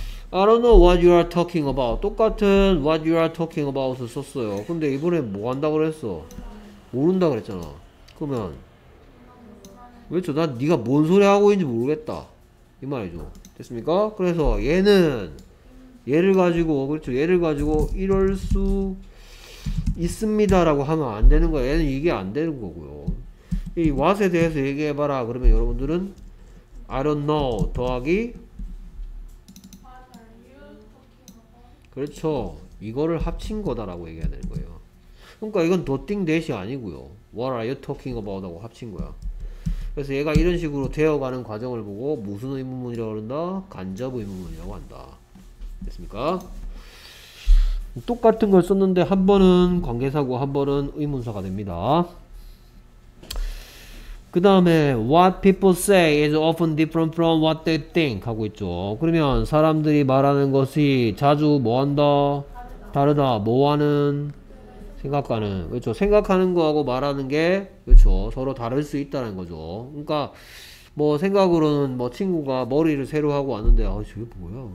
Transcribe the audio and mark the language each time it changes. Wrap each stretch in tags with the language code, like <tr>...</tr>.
<en>아, I don't know what you are talking about.</en> <ko>똑같은</ko> <en>what you are talking about</en> <ko>을 썼어요. 근데 이번에 뭐 한다고 그랬어? 모른다 그랬잖아. 그러면 그렇죠. 난 네가 뭔 소리 하고 있는지 모르겠다. 이 말이죠. 됐습니까? 그래서 얘는 얘를 가지고 그렇죠. 얘를 가지고 이럴 수 있습니다라고 하면 안 되는 거야. 얘는 이게 안 되는 거고요. 이 what에 대해서 얘기해 봐라. 그러면 여러분들은</ko> <en>I don't know</en> <ko>더하기 그렇죠. 이거를 합친 거다라고 얘기해야 되는 거예요. 그러니까 이건</ko> <en>nothing that</en> <ko>이 아니고요.</ko> <en>What are you talking about?</en> <ko>하고 합친 거야. 그래서 얘가 이런 식으로 되어가는 과정을 보고 무슨 의문문이라고 그런다? 간접 의문문이라고 한다. 됐습니까? 똑같은 걸 썼는데 한 번은 관계사고 한 번은 의문사가 됩니다. 그 다음에</ko> <en>what people say is often different from what they think</en> <ko>하고 있죠. 그러면 사람들이 말하는 것이 자주 뭐한다? 다르다. 뭐하는? 생각하는. 그렇죠. 생각하는 거하고 말하는 게 그렇죠. 서로 다를 수 있다는 거죠. 그러니까 뭐 생각으로는 뭐 친구가 머리를 새로 하고 왔는데 아 저게 뭐야?</ko>